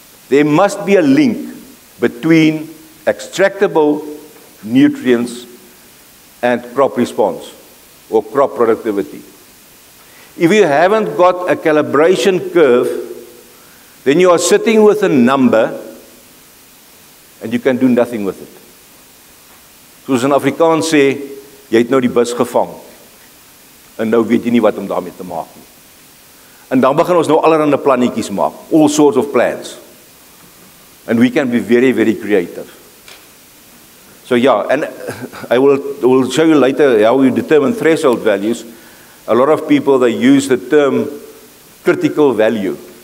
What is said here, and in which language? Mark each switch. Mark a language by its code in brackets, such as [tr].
[en] There must be a link between extractable nutrients and crop response or crop productivity. If you haven't got a calibration curve, then you are sitting with a number and you can do nothing with it. [af] Soos in Afrikaans sê, jy het nou die bus gevang en nou weet jy nie wat om daarmee te maak nie. En dan begin ons nou allerhande plannetjies maak, [en] all sorts of plans. And we can be very, very creative. So yeah, and I will show you later how you determine threshold values. A lot of people, they use the term critical value.